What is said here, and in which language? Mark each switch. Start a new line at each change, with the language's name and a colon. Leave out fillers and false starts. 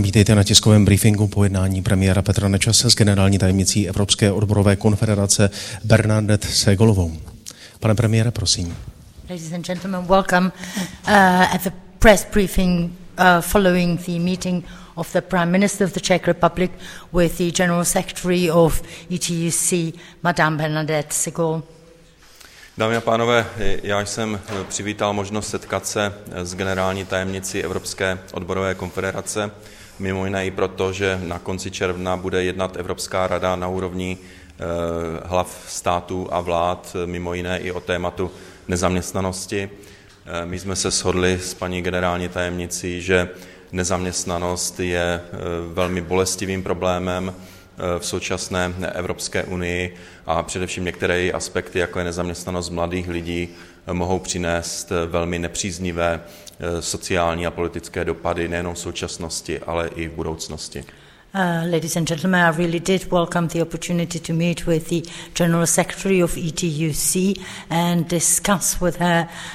Czech: Vítejte na tiskovém briefingu po jednání premiéra Petra Nečase s generální tajemnicí Evropské odborové konfederace Bernadette Segalovou. Pane premiére, prosím.
English: Ladies and gentlemen, welcome at the press briefing following the meeting of the Prime Minister of the Czech Republic with the General Secretary of ETUC, Madame Bernadette Segalová.
Czech: Dámy a pánové, já jsem přivítal možnost setkat se s generální tajemnicí Evropské odborové konfederace, mimo jiné i proto, že na konci června bude jednat Evropská rada na úrovni hlav států a vlád, mimo jiné i o tématu nezaměstnanosti. My jsme se shodli s paní generální tajemnicí, že nezaměstnanost je velmi bolestivým problémem v současné Evropské unii a především některé aspekty, jako je nezaměstnanost mladých lidí, mohou přinést velmi nepříznivé sociální a politické dopady nejenom v současnosti, ale i v budoucnosti.
English: Ladies and gentlemen, I really did welcome the opportunity to meet with the General Secretary of ETUC and discuss with her